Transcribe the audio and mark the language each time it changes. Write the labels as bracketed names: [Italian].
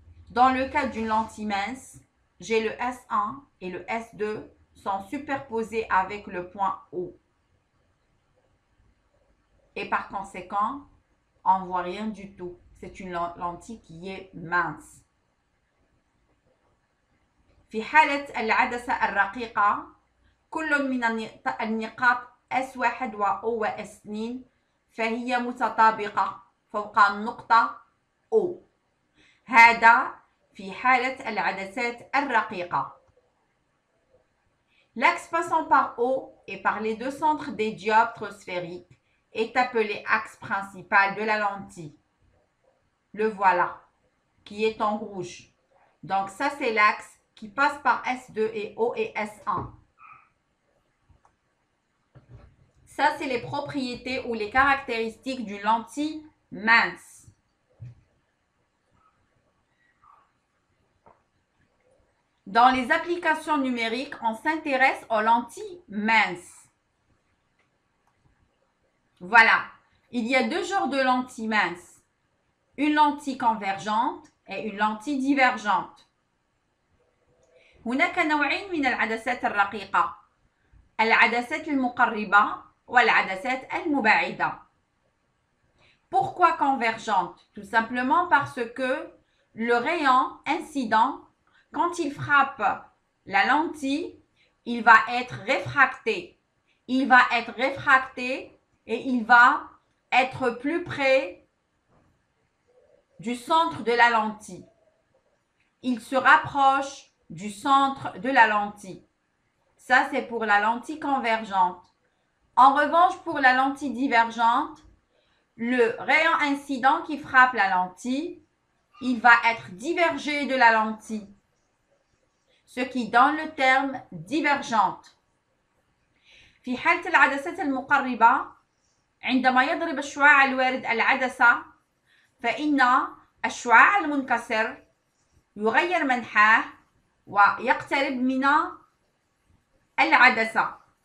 [French] Dans le cas d'une lentille mince, j'ai le S1 et le S2 sont superposés avec le point O. Et par conséquent, on ne voit rien du tout. C'est une lentille qui est mince. [Arabic] في حالة العدسة الرقيقة, كل من النقاط S1 و O2 فهي متطابقة فوق النقطة O. هذا في حالة العدسات الرقيقة. [French] L'axe passant par O et par les deux centres des dioptres sphériques est appelé axe principal de la lentille. Le voilà, qui est en rouge. Donc ça, c'est l'axe qui passe par S2 et O et S1. Ça, c'est les propriétés ou les caractéristiques d'une lentille mince. Dans les applications numériques, on s'intéresse aux lentilles minces. Voilà, il y a deux genres de lentilles minces. Une lentille convergente et une lentille divergente. [Arabic] هناك نوعين من العدسات الرقيقة. العدسات المقربة والعدسات المبعدة. [French] Pourquoi convergente? Tout simplement parce que le rayon incident, quand il frappe la lentille, il va être réfracté. Il va être réfracté et il va être plus près du centre de la lentille. Il se rapproche du centre de la lentille. Ça, c'est pour la lentille convergente. En revanche, pour la lentille divergente, le rayon incident qui frappe la lentille, il va être divergé de la lentille. Ce qui donne le terme divergente. [Arabic] في حالة العدسات المقربة عندما يضرب الشعاع الوارد العدسة فإن الشعاع المنكسر يغير منحاه ويقترب من العدسة.